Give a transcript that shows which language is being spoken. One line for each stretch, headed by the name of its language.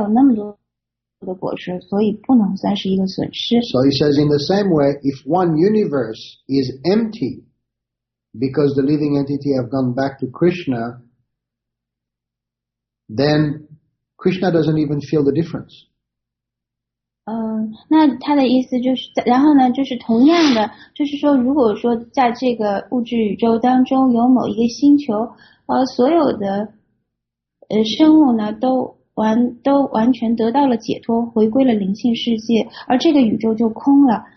Chinese: 有那么多的果实，所以不能算是一个损失。
English: So he says, in the same way, if one universe is empty because the living entity have gone back to Krishna, then Krishna doesn't even feel the difference.
Chinese: 那他的意思就是，然后呢，就是同样的，就是说，如果说在这个物质宇宙当中有某一个星球，所有的生物呢都完全得到了解脱，回归了灵性世界，而这个宇宙就空了。